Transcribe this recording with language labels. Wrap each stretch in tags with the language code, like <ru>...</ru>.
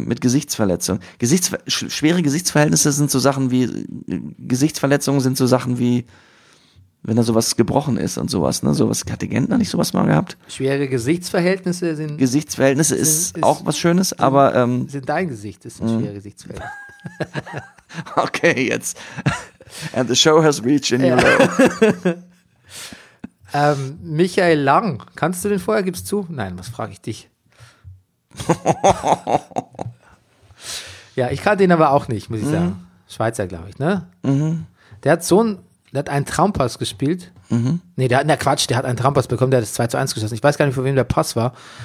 <de>Mit Gesichtsverletzung. Schwere Gesichtsverhältnisse sind so Sachen wie, Gesichtsverletzungen sind so Sachen wie, wenn da sowas gebrochen ist und sowas, ne? Sowas hat der Gentner nicht sowas mal gehabt? Schwere Gesichtsverhältnisse sind. Gesichtsverhältnisse sind, ist auch was Schönes, sind, aber. Sind dein Gesicht, das sind schwere Gesichtsverhältnisse. Okay, jetzt.</de> <en>And the show has reached a new low.</en> <de>Michael Lang, kannst du den vorher, gibst zu? Nein, was frage ich dich? Ja, ich kann den aber auch nicht, muss ich sagen. Schweizer, glaube ich, ne? Der hat so ein. Der hat einen Traumpass gespielt. Nee, der hat einen Traumpass bekommen, der hat das 2-1 geschossen. Ich weiß gar nicht, von wem der Pass war.</de>